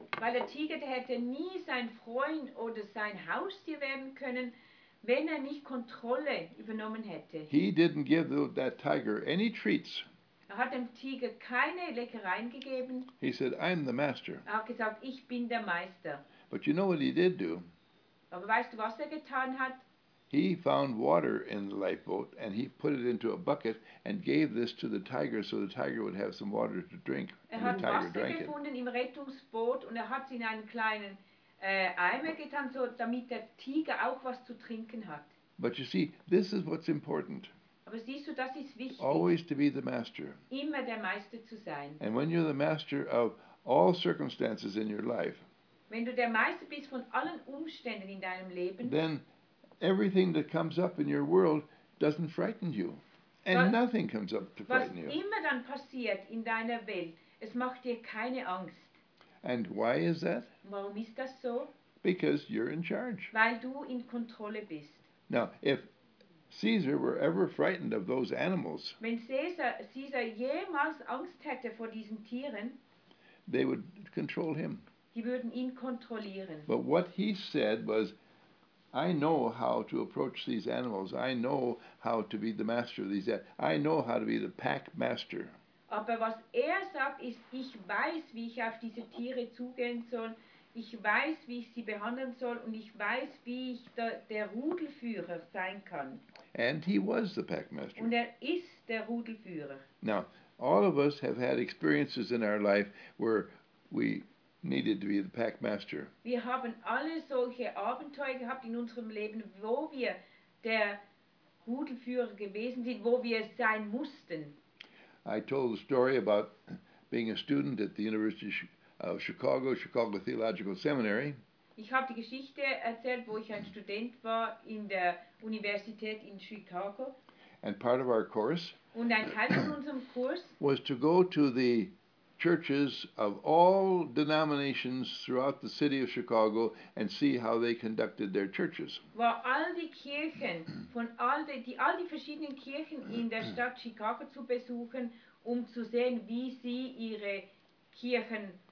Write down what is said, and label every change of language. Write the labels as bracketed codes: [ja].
[de] Weil der Tiger, der hätte nie sein Freund oder sein Haustier werden können, wenn er nicht Kontrolle übernommen hätte. [en] He didn't give that tiger any treats. [de] Er hat dem Tiger keine Leckereien gegeben. [en] He said, I'm the master. [de] Er hat gesagt, ich bin der Meister. [en] But you know what he did do? [de] Aber weißt du, was er getan hat? [en] He found water in the lifeboat and he put it into a bucket and gave this to the tiger so the tiger would have some water to drink. [de] Er hat Wasser gefunden im Rettungsboot und hat es in einen kleinen Eimer getan, so damit der Tiger auch was zu trinken hat. [en] But you see, this is what's important. [de] Aber siehst du, das ist wichtig. [en] Always to be the master. [de] Immer der Meister zu sein. [en] And when you're the master of all circumstances in your life, [de] wenn du der Meister bist von allen Umständen in deinem Leben, [en] then everything that comes up in your world doesn't frighten you. And was, nothing comes up to frighten you. [de] Was immer dann passiert in deiner Welt, es macht dir keine Angst. [en] And why is that? [de] Warum ist das so? [en] Because you're in charge. [de] Weil du in Kontrolle bist. [en] Now, if Caesar were ever frightened of those animals, [de] wenn Caesar jemals Angst hätte vor diesen Tieren, [en] they would control him. [de] Die würden ihn kontrollieren. [en] But what he said was, I know how to approach these animals. I know how to be the master of these animals. I know how to be the pack master. [de] Aber was er sagt, ist, ich weiß, wie ich auf diese Tiere zugehen soll. Ich weiß, wie ich sie behandeln soll und ich weiß, wie ich der Rudelführer sein kann. [en] And he was the pack master. [de] Und er ist der Rudelführer. [en] Now, all of us have had experiences in our life where we needed to be the pack master. [de] Wir haben alle solche Abenteuer gehabt in unserem Leben, wo wir der Rudelführer gewesen sind, wo wir sein mussten. [en] I told the story about being a student at the University of Chicago, Chicago Theological Seminary. [de] Ich habe die Geschichte erzählt, wo ich ein Student war in der Universität in Chicago. [en] And part of our course [de] und ein Teil von unserem Kurs [en] was to go to the churches of all denominations throughout the city of Chicago and see how they conducted their churches. [de] War all die Kirchen von all die verschiedenen Kirchen in der Stadt Chicago zu besuchen, um zu sehen, wie sie ihre Kirchen